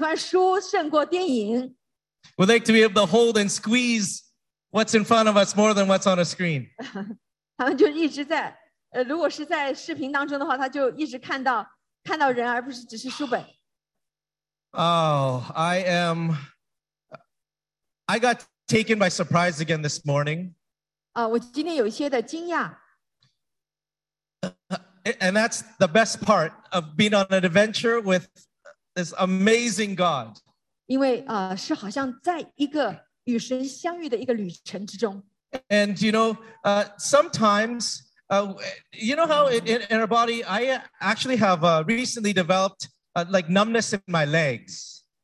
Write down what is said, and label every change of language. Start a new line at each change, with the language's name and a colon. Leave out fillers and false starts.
Chinese: 有些人喜欢书胜过电影.
English: We like to be able to hold and squeeze what's in front of us more than what's on a screen.
Chinese: 他们就一直在, 如果是在视频当中的话, 他就一直看到, 看到人, 而不是只是书本.
English: Oh, I got taken by surprise again this morning.
Chinese: 我今天有一些的惊讶.
English: And that's the best part of being on an adventure with this amazing God.
Chinese: 因为, 是好像在一个与神相遇的一个旅程之中.
English: And you know, sometimes, you know how in our body, I actually have recently developed like numbness in my legs.